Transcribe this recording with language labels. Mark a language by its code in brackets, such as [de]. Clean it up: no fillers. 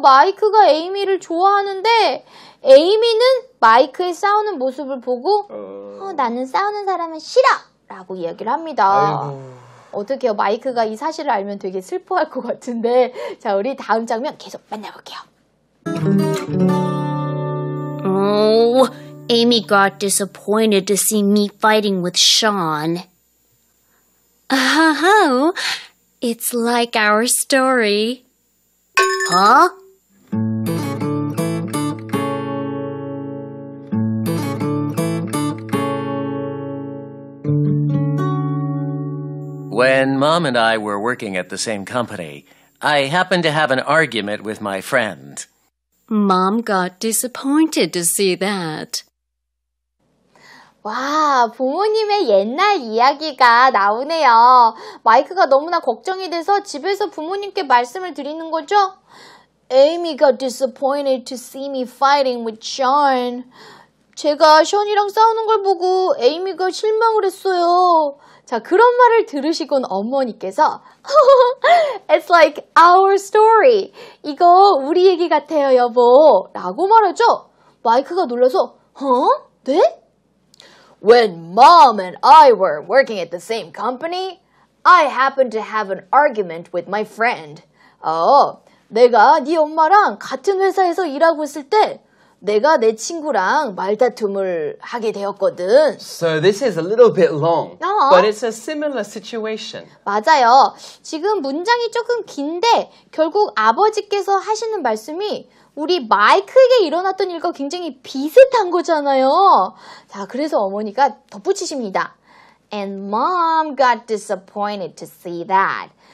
[ko] 마이크가 에이미를 좋아하는데 에이미는 마이크의 싸우는 모습을 보고 나는 싸우는 사람은 싫어! 라고 이야기를 합니다. 어떻게 해요? 마이크가 이 사실을 알면 되게 슬퍼할 것 같은데 자, 우리 다음 장면 계속 만나볼게요. [en] Oh, Amy got disappointed to see me fighting with Sean. Oh, it's like our story. Huh? When Mom and I were working at the same company, I happened to have an argument with my friend. Mom got disappointed to see that. [ko] 와, 부모님의 옛날 이야기가 나오네요. 마이크가 너무나 걱정이 돼서 집에서 부모님께 말씀을 드리는 거죠? [en] Amy got disappointed to see me fighting with Sean. [ko] 제가 션이랑 싸우는 걸 보고 에이미가 실망을 했어요. 자, 그런 말을 들으시곤 어머니께서 [en] It's like our story. [ko] 이거 우리 얘기 같아요, 여보. 라고 말하죠. 마이크가 놀라서, 어? 네? [en] When Mom and I were working at the same company, I happened to have an argument with my friend. [ko] 내가 네 엄마랑 같은 회사에서 일하고 있을 때 내가 내 친구랑 말다툼을 하게 되었거든. [en] So this is a little bit long, but it's a similar situation. [ko] 맞아요. 지금 문장이 조금 긴데 결국 아버지께서 하시는 말씀이 우리 마이크에게 일어났던 일과 굉장히 비슷한 거잖아요. 자, 그래서 어머니가 덧붙이십니다. [en] And Mom got disappointed to see that.